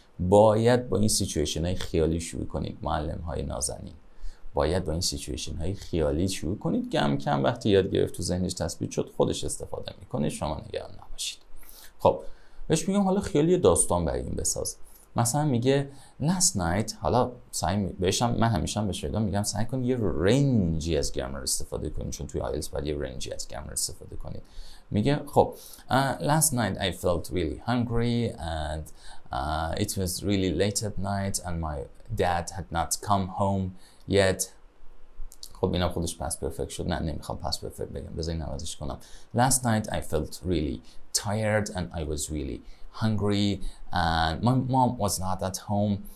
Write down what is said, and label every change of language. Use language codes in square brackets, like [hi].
[fa] باید با این سیچویشن های خیالی شروع کنید معلم های نازنین، باید با این سیچویشن های خیالی شروع کنید، کم کم وقتی یاد گرفت تو ذهنش تثبیت شد خودش استفاده میکنه، شما نگران نباشید. خب بهش میگم حالا خیالی داستان برای این بساز. مثلا میگه [en] last night، [fa] حالا من همیشه به شاید میگم سعی کن یه رنجی از گرامر استفاده کنید، چون توی آیلتس باید یه رنجی از گرامر استفاده کنید. [en] میگه خب last night I felt really hungry and it was really late at night and my dad had not come home yet. [fa] خب اینا خودش پس پرفکت شد، نه نمیخوام پس پرفکت بگم، بذارین نوازش کنم. [en] Last night I felt really tired and I was really hungry and my mom was not at home.